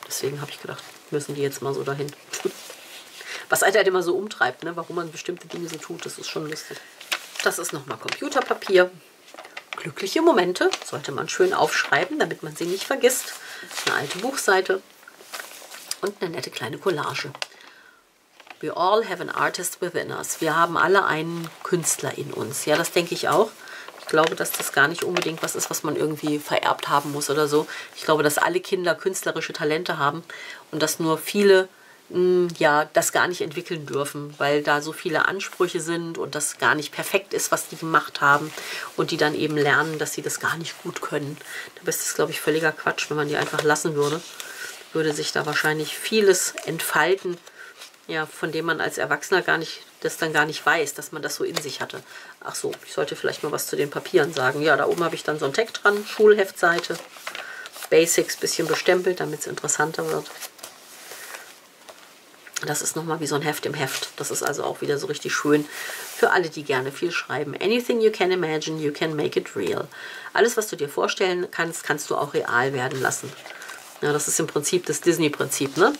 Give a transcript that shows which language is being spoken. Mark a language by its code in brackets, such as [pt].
[de] Deswegen habe ich gedacht, müssen die jetzt mal so dahin. Was einen halt immer so umtreibt, ne? Warum man bestimmte Dinge so tut, das ist schon lustig. Das ist nochmal Computerpapier. Glückliche Momente sollte man schön aufschreiben, damit man sie nicht vergisst. Eine alte Buchseite und eine nette kleine Collage. [en] We all have an artist within us. [de] Wir haben alle einen Künstler in uns. Ja, das denke ich auch. Ich glaube, dass das gar nicht unbedingt was ist, was man irgendwie vererbt haben muss oder so. Ich glaube, dass alle Kinder künstlerische Talente haben und dass nur viele ja, das gar nicht entwickeln dürfen, weil da so viele Ansprüche sind und das gar nicht perfekt ist, was die gemacht haben und die dann eben lernen, dass sie das gar nicht gut können. Da ist das, glaube ich, völliger Quatsch, wenn man die einfach lassen würde. Würde sich da wahrscheinlich vieles entfalten, ja, von dem man als Erwachsener gar nicht weiß, dass man das so in sich hatte. Ach so, ich sollte vielleicht mal was zu den Papieren sagen. Ja, da oben habe ich dann so ein Tag dran, Schulheftseite, Basics bisschen bestempelt, damit es interessanter wird. Das ist nochmal wie so ein Heft im Heft. Das ist also auch wieder so richtig schön für alle, die gerne viel schreiben. [en] Anything you can imagine, you can make it real. [de] Alles, was du dir vorstellen kannst, kannst du auch real werden lassen. Ja, das ist im Prinzip das Disney-Prinzip, ne?